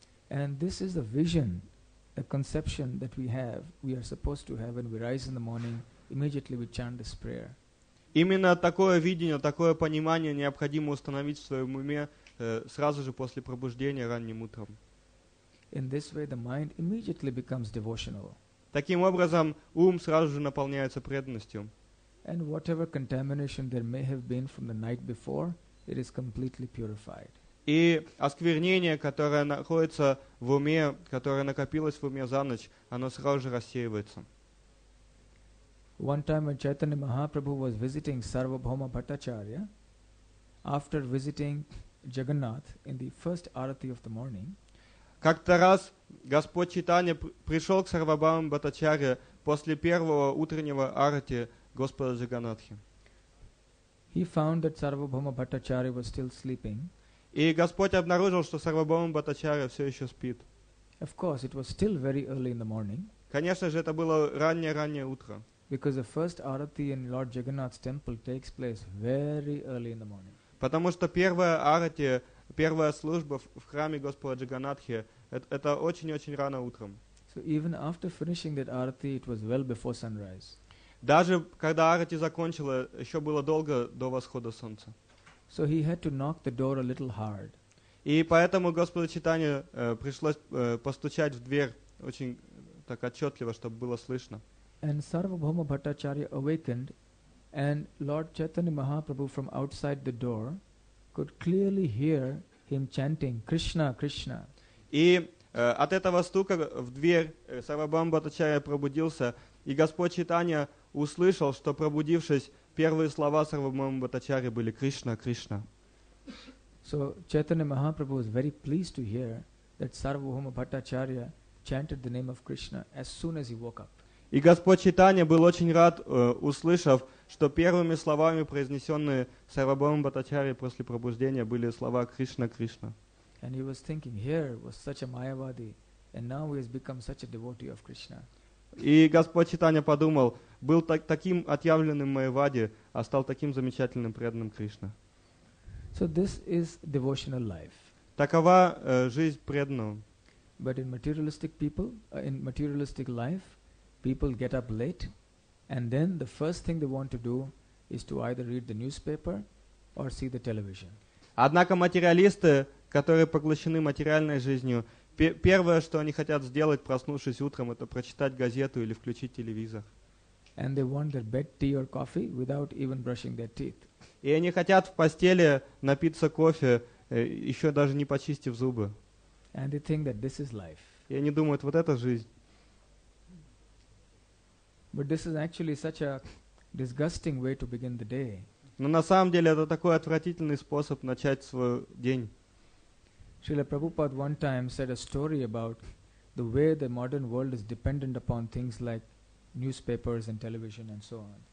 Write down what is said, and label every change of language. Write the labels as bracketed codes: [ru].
[en] And this is the vision, the conception that we have, we are supposed to have when we rise in the morning, immediately we chant this prayer. [ru] Именно такое видение, такое понимание необходимо установить в своем уме сразу же после пробуждения ранним утром. [en] In this way the mind immediately becomes devotional. [ru] Таким образом, ум сразу же наполняется преданностью. [en] And whatever contamination there may have been from the night before, it is completely purified. [ru] И осквернение, которое находится в уме, которое накопилось в уме за ночь, оно сразу же рассеивается. [en] One time when Chaitanya Mahaprabhu was visiting Sarvabhauma Bhattacharya, after visiting Jagannath in the first arati of the morning, [ru] как-то раз Господь Чайтанья пришел к Сарвабхауме Бхаттачарье после первого утреннего арати Господа Джаганнатхи. [en] He found that Sarvabhauma Bhattacharya was still sleeping. [ru] И Господь обнаружил, что Сарвабхаума Бхаттачарья все еще спит. [en] Of course, it was still very early in the morning. [ru] Конечно же, это было раннее-раннее утро. [en] Because the first arati in Lord Jagannath's temple takes place very early in the morning. [ru] Потому что первая арати, первая служба в храме Господа Джаганнатхи, это очень-очень рано утром. [en] So even after finishing that arati, it was well before sunrise. [ru] Даже когда арати закончила, еще было долго до восхода солнца. [en] So he had to knock the door a little hard. [ru] И поэтому Господу Читанию пришлось постучать в дверь очень так отчетливо, чтобы было слышно. [en] And Sarvabhauma Bhattacharya awakened, and Lord Chaitanya Mahaprabhu from outside the door could clearly hear him chanting Krishna, Krishna. [ru] И от этого стука в дверь Сарвабхаума Бхаттачарья пробудился, и Господь Чайтанья услышал, что пробудившись, первые слова Сарвабхаума Бхаттачарьи были Кришна, Кришна. [en] So Chaitanya Mahaprabhu was very pleased to hear that Sarvabhauma Bhattacharya chanted the name of Krishna as soon as he woke up. [ru] И Господь Чайтанья был очень рад, услышав, что первыми словами, произнесенные Сарвабхаумом Бхаттачарьей после пробуждения, были слова Кришна, Кришна. [en] And he was thinking, here was such a Mayavadi, and now he has become such a devotee of Krishna. [ru] И Господь Чайтанья подумал, был таким отъявленным Майавади, а стал таким замечательным преданным Кришна. [en] So this is devotional life. [ru] Такова жизнь преданного. [en] But in materialistic people, in materialistic life, people get up late, and then the first thing they want to do is to either read the newspaper or see the television. [ru] Однако материалисты, которые поглощены материальной жизнью, первое, что они хотят сделать, проснувшись утром, это прочитать газету или включить телевизор. [en] And they want their bed tea or coffee without even brushing their teeth. [ru] И они хотят в постели напиться кофе, еще даже не почистив зубы. [en] And they think that this is life. [ru] И они думают, вот это жизнь. [en] But this is actually such a disgusting way to begin the day. [ru] Но на самом деле это такой отвратительный способ начать свой день. [en] Srila Prabhupada one time said a story about the way the modern world is dependent upon things like newspapers and television and so on.